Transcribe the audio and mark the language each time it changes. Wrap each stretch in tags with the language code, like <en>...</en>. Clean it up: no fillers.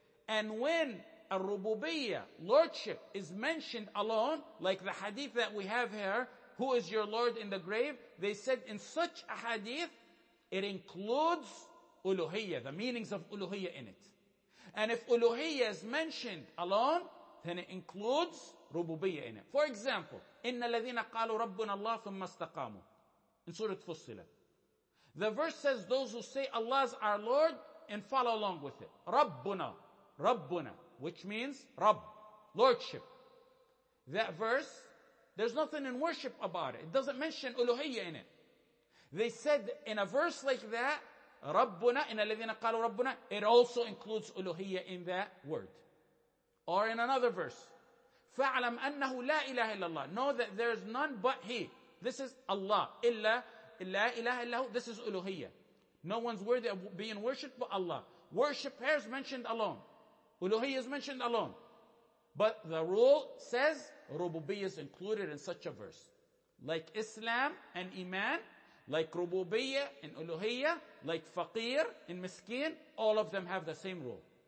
<en>And when al-Rububiyya, Lordship, is mentioned alone, like the hadith that we have here, who is your Lord in the grave? They said in such a hadith, it includes Uluhiyya, the meanings of Uluhiyya in it. And if Uluhiyya is mentioned alone, then it includes Rububiyya in it. For example,</en> <ar>إِنَّ الَّذِينَ قَالُوا رَبُّنَ اللَّهُ ثُمَّ اسْتَقَامُوا</ar> <en>in Surah Fussilat. The verse says, those who say Allah is our Lord and follow along with it.</en> <ar>رَبُّنَا رَبُّنَا,</ar> <en>which means Rabb, Lordship. That verse, there's nothing in worship about it. It doesn't mention Uluhiyya in it. They said in a verse like that,</en> <ar>رَبُّنَا إِنَّ الَّذِينَ قَالُوا رَبُّنَا,</ar> <en>it also includes Uluhiyya in that word. Or in another verse,</en> <ar>فَعْلَمْ أَنَّهُ لَا إِلَهَ إِلَّا اللَّهِ,</ar> <en>know that there is none but He. This is Allah.</en> <ar>إِلَّا لَا إِلَهَ إِلَّهُ,</ar> <en>this is Uluhiyya. No one's worthy of being worshipped but Allah. Worship here is mentioned alone. Uluhiyya is mentioned alone. But the rule says Rububiyya is included in such a verse. Like Islam and Iman, like Rububiyya and Uluhiyya, like Faqir and Miskin, all of them have the same rule.</en>